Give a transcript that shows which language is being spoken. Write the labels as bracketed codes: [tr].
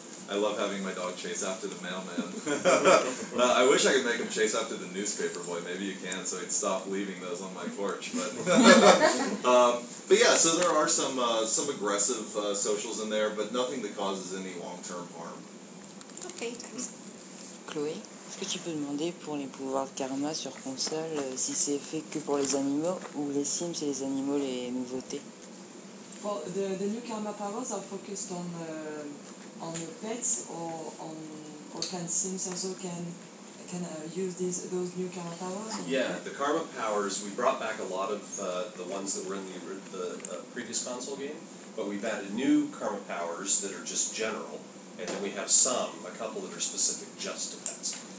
[en] I love having my dog chase after the mailman. I wish I could make him chase after the newspaper boy. Maybe you can, so he'd stop leaving those on my porch. But yeah, so there are some aggressive socials in there, but nothing that causes any long-term harm. Okay. [fr] Chloé, est-ce que tu peux demander pour les pouvoirs de karma sur console si c'est fait que pour les animaux ou les Sims et les animaux les nouveautés? [en] Well, the new karma powers are focused on the pets, or can Sims also can use those new karma powers? Yeah, the karma powers, we brought back a lot of the ones that were in the previous console game, but we've added new karma powers that are just general, and then we have a couple that are specific just to pets.